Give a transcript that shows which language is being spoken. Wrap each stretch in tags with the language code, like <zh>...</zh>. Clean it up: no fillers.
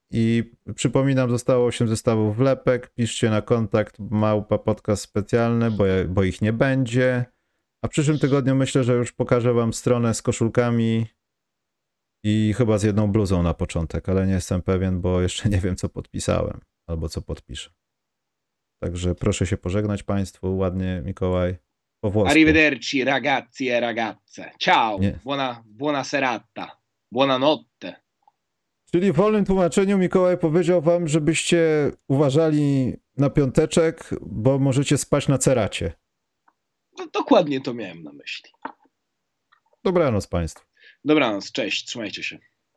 <pl>I przypominam, zostało 8 zestawów wlepek. Piszcie na kontakt małpa podcast specjalny, bo ich nie będzie. A w przyszłym tygodniu myślę, że już pokażę wam stronę z koszulkami i chyba z jedną bluzą na początek, ale nie jestem pewien, bo jeszcze nie wiem, co podpisałem albo co podpiszę. Także proszę się pożegnać państwu ładnie, Mikołaj, po włosku.</pl> <it>Arrivederci ragazzi e ragazze. Ciao, buona serata, buona notte.</it> <pl>Czyli w wolnym tłumaczeniu Mikołaj powiedział wam, żebyście uważali na piąteczek, bo możecie spać na ceracie. No, dokładnie to miałem na myśli. Dobranoc państwu. Dobranoc, cześć, trzymajcie się.</pl>